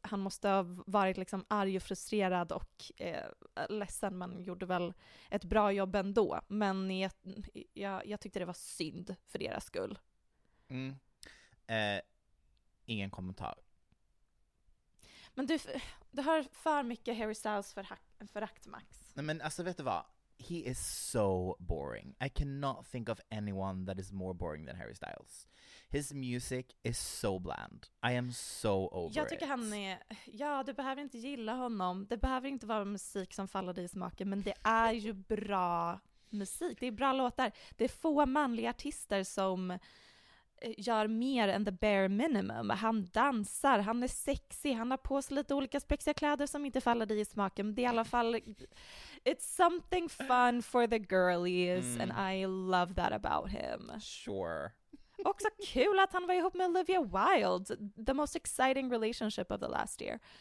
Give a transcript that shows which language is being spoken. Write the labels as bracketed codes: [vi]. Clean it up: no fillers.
[sv] Han måste ha varit liksom arg och frustrerad och ledsen, men gjorde väl ett bra jobb ändå. Men jag tyckte det var synd för deras skull. Mm. Ingen kommentar. Men du har för mycket Harry Styles förakt, Max. Nej, men alltså vet du vad? [en] He is so boring. I cannot think of anyone that is more boring than Harry Styles. His music is so bland. I am so over it. [sv] Jag tycker [en] it. [sv] Han är... Ja, du behöver inte gilla honom. Det behöver inte vara musik som faller dig i smaken, men det är ju bra musik. Det är bra låtar. Det är få manliga artister som gör mer än [en] the bare minimum. [sv] Han dansar, han är sexy, han har på sig lite olika spexiga kläder som inte faller dig i smaken. Men det är i alla fall, [en] it's something fun for the girlies. Mm. And I love that about him. Sure. [sv] Också kul att han var ihop med Olivia Wilde. [en] The most exciting relationship of the last year.